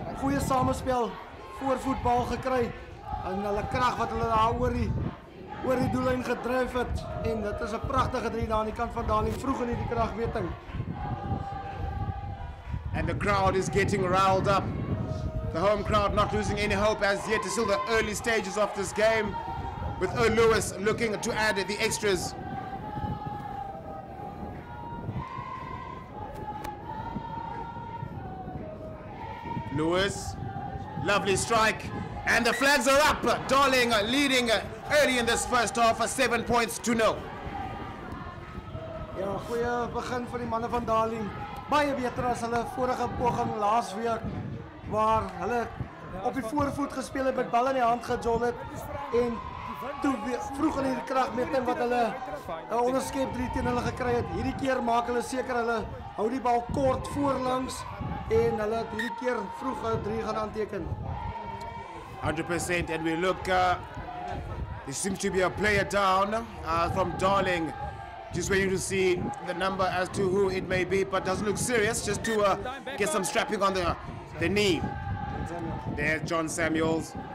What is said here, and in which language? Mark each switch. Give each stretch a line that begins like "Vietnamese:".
Afrikaans: Goeie samenspel, voorvoetbal gekry en hulle krag wat hulle daar oor die doellijn gedryf het, en dit is 'n pragtige drie daar aan die kant van Darling vroeg in die kragmeting.
English: And the crowd is getting riled up. The home crowd not losing any hope as yet. It's still the early stages of this game. With Lewis looking to add the extras. Lewis, lovely strike. And the flags are up. Darling leading early in this first half, 7 points to nil.
Afrikaans: Ja, goeie begin vir die manne van Darling. Baie beter as hulle vorige poging laas week waar hulle op die voorvoet gespeel het met bal in die hand gejol het en toe vroeg in die kragmeting wat hulle 'n onderskep 3 teen hulle gekry het. Hierdie keer maak hulle seker hulle hou die bal kort voorlangs en hulle het hierdie keer vroeg 'n 3 gaan aanteken.
English: 100% and we look there seems to be a player down from Darling. Just waiting to see the number as to who it may be, but doesn't look serious, just to get some strapping on the knee. There's John Samuels.